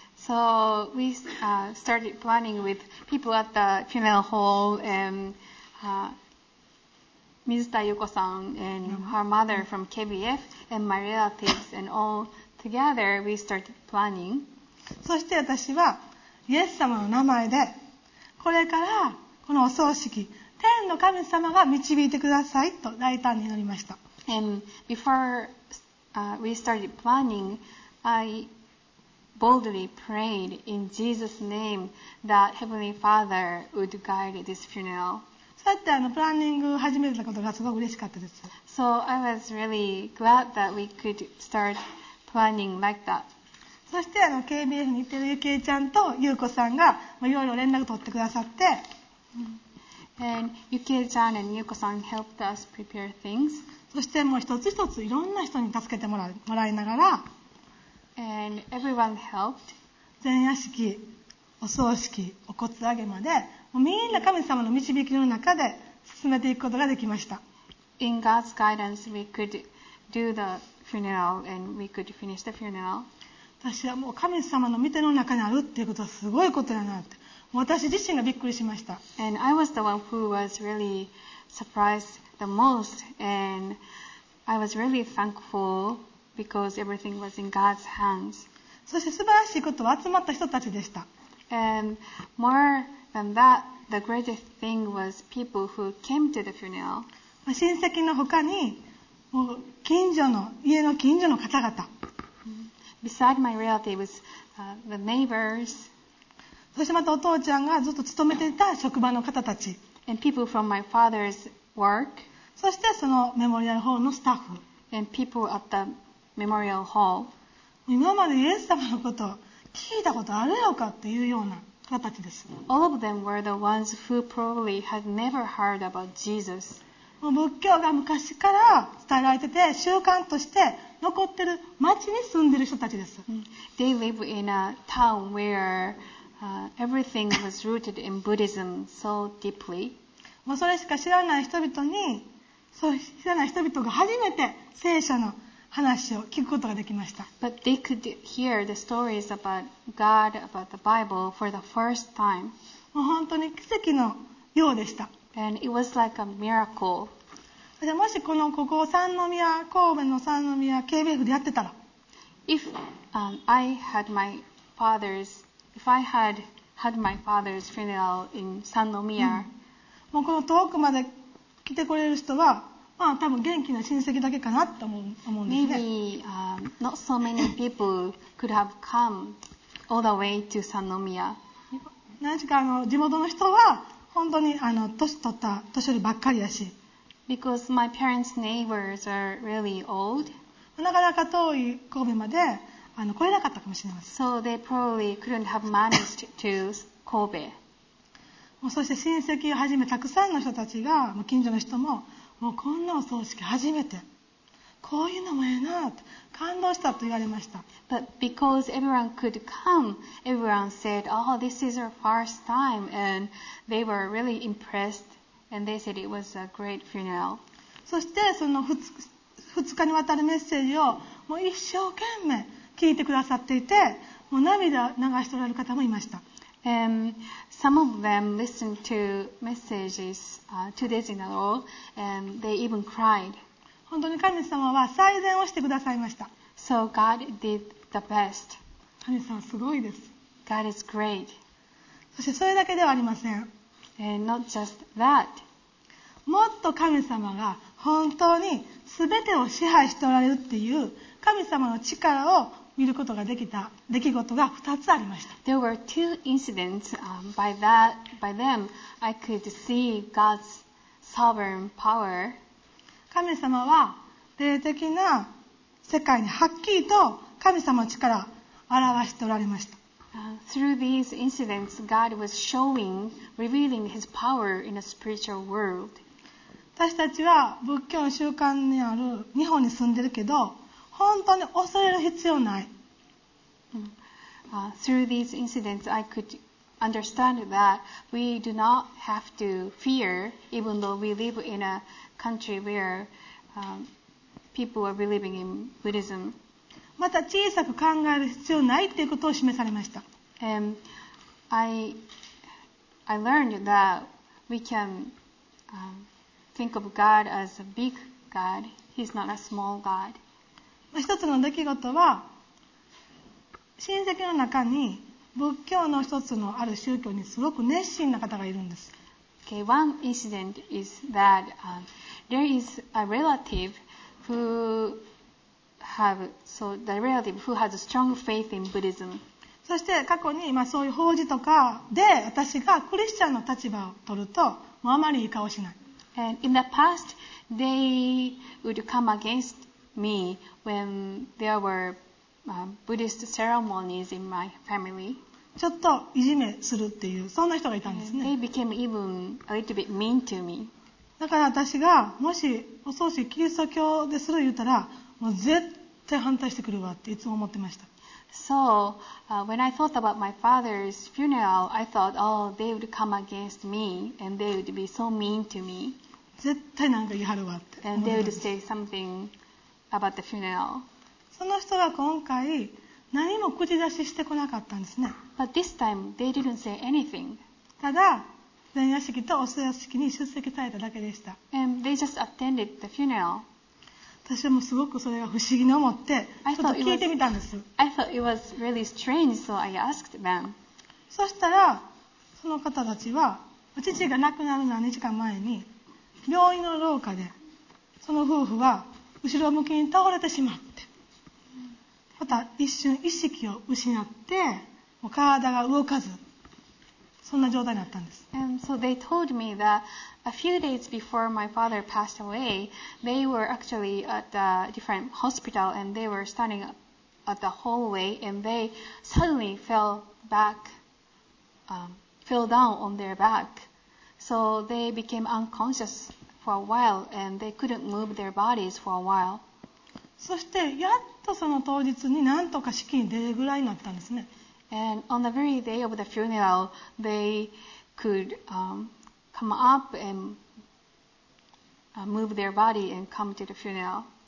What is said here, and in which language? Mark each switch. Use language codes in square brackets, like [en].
[en] So we started planning with people at the funeral hall and Mizuta Yuko-san and her mother from KBF and my relatives and all together we started planning. [ja] そして私はイエス様の名前でこれからこのお葬式天の神様が導いてくださいと大胆になりました。 [en] And before we started planning, I boldly prayed in Jesus' name that Heavenly Father would guide this funeral. [ja] だってプランニングを始めたことがすごく嬉しかったです。 [en] So I was really glad that we could start planning like that. [ja] そして KBF に行ってるゆきえちゃんとゆうこさんがいろいろ連絡取ってくださって、 [en] And Yuki-chan and Yuko-san helped us prepare things. [ja] そしてもう一つ一ついろんな人に助けてもらいながら、 [en] and everyone helped. [ja] 前夜式、お葬式、お骨上げまで、もうみんな神様の導きの中で進めていくことができました。 [en] In God's guidance, we could do the funeral and we could finish the funeral. [ja] 私はもう神様の御手の中にあるっていうことはすごいことだなって。私自身がびっくりしました。 [en] And I was the one who was really surprised the most, and I was really thankful because everything was in God's hands. [ja] そして素晴らしいことは集まった人たちでした。 [en] And more than that, the greatest thing was people who came to the funeral. [ja] 親戚の他に、もう近所の家の近所の方々。 [en] Beside my relatives, the neighbors. [ja] そしてまたお父ちゃんがずっと勤めていた職場の方たち。 [en] And people from my father's work. [ja] そしてそのメモリアルホールのスタッフ。 [en] And people at the memorial hall. [ja] 今までイエス様のことを聞いたことあるのかっていうような方たちです。 [en] All of them were the ones who probably had never heard about Jesus. [ja] もう仏教が昔から伝えられてて習慣として残ってる町に住んでる人たちです。 [en] They live in a town where... everything was rooted in Buddhism so deeply. [ja] もうそれしか知らない人々に、そう知らない人々が初めて聖書の話を聞くことができました。 [en] But they could hear the stories about God, about the Bible for the first time. [ja] もう本当に奇跡のようでした。 [en] And it was like a miracle. [ja] もしこのここ三宮、神戸の三宮 KBF でやってたら、 [en] If I had my father'sIf I had had my father's funeral in Sannomiya,、うん、 [ja] もうこの遠くまで来てくれる人は、まあ多分元気な親戚だけかなと思うんですね。 [en] Maybe、not so many people could have come all the way to Sannomiya. [ja] 何しか地元の人は本当に年取った年寄りばっかりやし。 [en] Because my parents' neighbors are really old. [ja] なかなか遠い神戸まで。来れなかったかもしれません。 [en] So they probably couldn't have managed to Kobe. [ja] もうそして親戚をはじめたくさんの人たちが、もう近所の人も、もうこんなお葬式初めて、こういうのもええなと感動したと言われました。 [en] But because everyone could come, everyone said, "Oh, this is our first time," and they were really impressed, and they said it was a great funeral. [ja] そしてその二日にわたるメッセージをもう一生懸命聞いてくださっていて、もう涙流しておられる方もいました。 [en] Some of them listened to messages two days in a row, and they even cried. [ja] 本当に神様は最善をしてくださいました。 [en] So God did the best. [ja] 神様すごいです。 [en] God is great. [ja] そしてそれだけではありません。 [en] And not just that. [ja] もっと神様が本当に全てを支配しておられるっていう神様の力を見ることができた出来事が2つありました。 [en] There were two incidents, by them I could see God's sovereign power. [ja] 神様は霊的な世界にはっきりと神様の力を表しておられました。 [en] Through these incidents, God was showing, revealing His power in a spiritual world. [ja] 私たちは仏教の習慣にある日本に住んでるけど、本当に恐れる必要ない。 [en] Through these incidents, I could understand that we do not have to fear, even though we live in a country where people are believing in Buddhism. [ja] また小さく考える必要ないということを示されました。 [en] I learned that we can think of God as a big God. He's not a small God. [ja] 一つの出来事は、親戚の中に仏教の一つのある宗教にすごく熱心な方がいるんです。 [en] Okay, one incident is that there is a relative who have so the relative who has a strong faith in Buddhism. [ja] そして過去に、まあ、そういう法事とかで私がクリスチャンの立場を取るともうあまりいい顔しない。 [en] And in the past, they would come against me. When there were Buddhist ceremonies in my family, [ja] ちょっといじめするっていうそんな人がいたんですね。 [en] They became even a little bit mean to me. [ja] だから私がもしお葬式キリスト教でする言ったら、もう絶対反対してくるわっていつも思ってました。 [en] So, when I thought about my father's funeral, I thought, oh, they would come against me and they would be so mean to me. [ja] 絶対なんか言い張るわって。 [en] And they would say something about the funeral. [ja] その人は今回何も口出ししてこなかったんですね。 [en] But this time, they didn't say anything. [ja] ただ、前夜式とお葬式に出席されただけでした。 [en] And they just attended the funeral. [ja] 私はもうすごくそれが不思議に思って、ちょっと聞いてみたんです。 [en] I thought it was really strange, so I asked them. [ja] そしたら、その方たちは、父が亡くなる何日か前に、病院の廊下で、その夫婦は後ろ向きに倒れてしまって、また一瞬意識を失って、もう体が動かず、そんな状態になったんです。 [en] And so they told me that a few days before my father passed away, they were actually at a different hospital and they were standing at the hallway and they suddenly fell back, fell down on their back. So they became unconscious for a while and they couldn't move their bodies for a while. [ja] そしてやっとその当日になんとか式に出るぐらいになったんですね。 [en] And on the very day of the funeral, they could come up and move their body and come to the funeral.